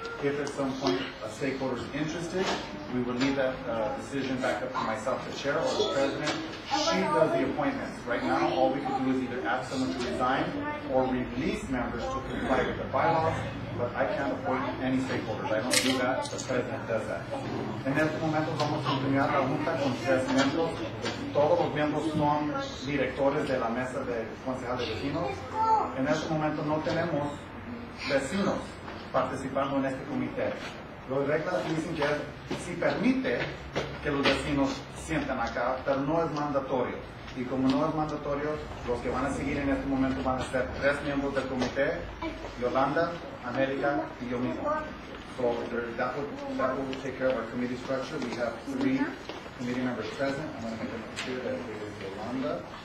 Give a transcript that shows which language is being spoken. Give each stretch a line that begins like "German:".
English: If at some point a stakeholder is interested, we would leave that decision back up to myself, the chair, or the president. She does the appointments. Right now, all we can do is either ask someone to resign or release members to comply with the bylaws, but I can't appoint any stakeholders. I don't do that. The president does that.
Spanish: En este momento vamos a terminar la junta con tres miembros. Todos los miembros son directores de la mesa de concejal de vecinos. En este momento no tenemos vecinos participando en este comité. Los reglas dicen que si permite que los vecinos sientan acá, pero no es mandatorio. Y como no es mandatorio, los que van a seguir en este momento van a ser tres miembros del comité, Yolanda, América y yo mismo.
English: So that will take care of our committee structure. We have three committee members present. I'm going to make sure that it is Yolanda.